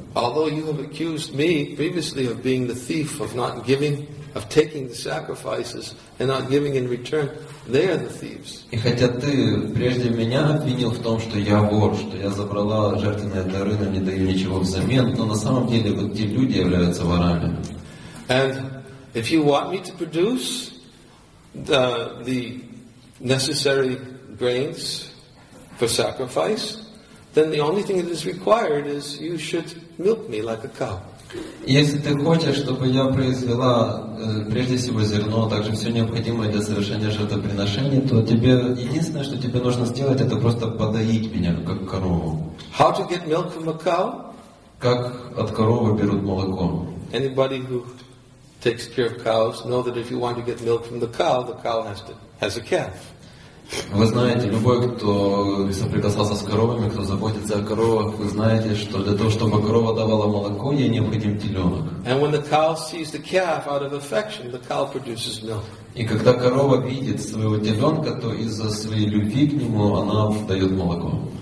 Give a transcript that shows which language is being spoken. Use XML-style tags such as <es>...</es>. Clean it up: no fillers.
<en>Although you have accused me previously of being the thief, of not giving, of taking the sacrifices and not giving in return, they are the thieves.</en> <ru>И хотя ты прежде меня обвинил в том, что я вор, что я забрала жертвенные дары, но не даю ничего взамен, но на самом деле вот те люди являются ворами.</ru> <en>And if you want me to produce the necessary grains for sacrifice, then the only thing that is required is you should milk me like a cow.</en> <ru>Если ты хочешь, чтобы я произвела прежде всего зерно, а также все необходимое для совершения жертвоприношения, то тебе единственное, что тебе нужно сделать, это просто подоить меня как корову.</ru> <en>How to get milk from a cow?</en> <ru>Как от коровы берут молоко?</ru> <en>Anybody who takes care of cows know that if you want to get milk from the cow has to has a calf.</en> <ru>Вы знаете, любой, кто соприкасался с коровами, кто заботится о коровах, вы знаете, что для того, чтобы корова давала молоко, ей необходим теленок.</ru> <en>And when the cow sees the calf out of affection, the cow produces milk.</en> <ru>И когда корова видит своего теленка, то из-за своей любви к нему она дает молоко.</ru>